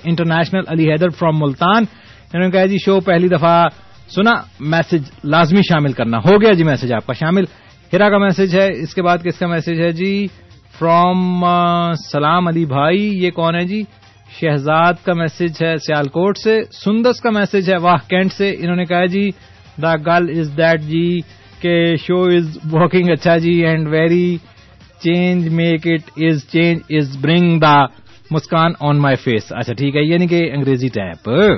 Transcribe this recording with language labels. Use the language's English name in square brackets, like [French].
[Urdu] International Ali Haider from Multan, انہوں نے کہا جی شو پہلی دفعہ سنا, میسج لازمی شامل کرنا. ہو گیا جی میسج آپ کا شامل. ہیرا کا میسج ہے. اس کے بعد کس کا میسج ہے جی, فرام سلام علی بھائی. یہ کون ہے جی, شہزاد کا میسج ہے سیالکوٹ سے. سندس کا میسج ہے واہ کینٹ سے. انہوں نے کہا جی [English] The girl is that جی, کہ she is walking اچھا جی, and very change make it is change is bring the مسکان on my face. [Urdu] اچھا ٹھیک ہے, یعنی کہ انگریزی ٹائپ.